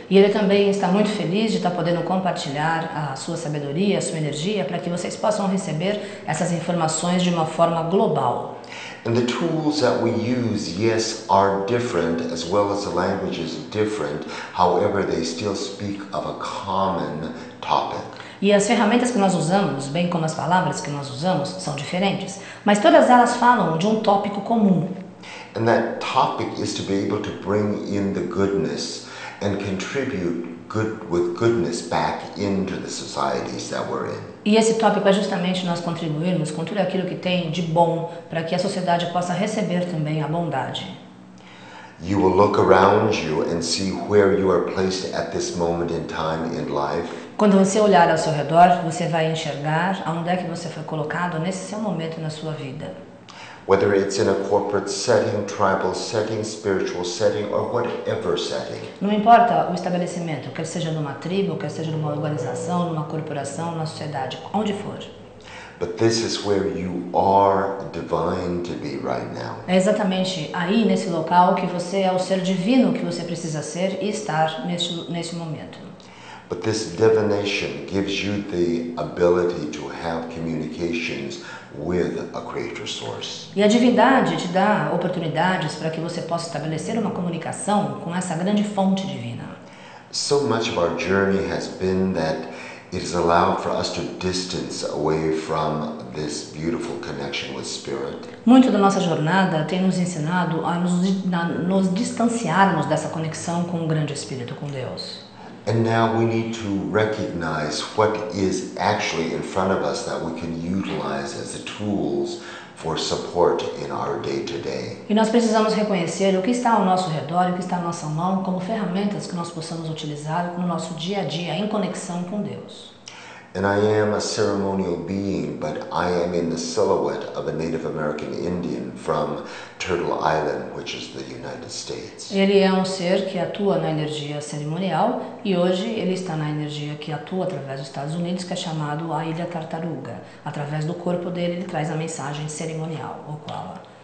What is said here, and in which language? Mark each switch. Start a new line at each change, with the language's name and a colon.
Portuguese: E ele também está muito feliz de estar podendo compartilhar a sua sabedoria, a sua energia, para que vocês possam receber essas informações de uma forma global.
English: And the tools that we use, yes, are different, as well as the languages different, however, they still speak of a common topic.
Portuguese: E as ferramentas que nós usamos, bem como as palavras que nós usamos, são diferentes, mas todas elas falam de um tópico comum.
English: And that topic is to be able to bring in the goodness and contribute good with goodness back into the societies that we're in.
Portuguese: E esse tópico é justamente nós contribuirmos com tudo aquilo que tem de bom para que a sociedade possa receber também a bondade.
English: You will look around you and see where you are placed at this moment in time in life.
Portuguese: Quando você olhar ao seu redor, você vai enxergar aonde é que você foi colocado nesse seu momento na sua vida.
English: Whether it's in a corporate setting, tribal setting, spiritual setting, or whatever setting.
Portuguese: Não importa o estabelecimento, quer seja numa tribo, quer seja numa organização, numa corporação, numa sociedade, onde for.
English: But this is where you are divine to be right now.
Portuguese: É exatamente aí, nesse local, que você é o ser divino que você precisa ser e estar nesse momento.
English: But this divination gives you the ability to have communications with a creator source.
Portuguese: E a divindade te dá oportunidades para que você possa estabelecer uma comunicação com essa grande fonte divina.
English: So much of our journey has been that it has allowed for us to distance away from this beautiful connection with spirit.
Portuguese: Muito da nossa jornada tem nos ensinado a nos distanciarmos dessa conexão com o grande espírito, com Deus.
English: And now we need to recognize what is actually in front of us that we can utilize as the tools for support in our day-to-day.
Portuguese: E nós precisamos reconhecer o que está ao nosso redor, o que está à nossa mão, como ferramentas que nós possamos utilizar no nosso dia-a-dia, em conexão com Deus.
English: And I am a ceremonial being, but I am in the silhouette of a Native American Indian from Turtle Island, which is the United States.
Portuguese: Ele é um ser que atua na energia cerimonial e hoje ele está na energia que atua através dos Estados Unidos, que é chamado a Ilha Tartaruga. Através do corpo dele, ele traz a mensagem cerimonial, o qual.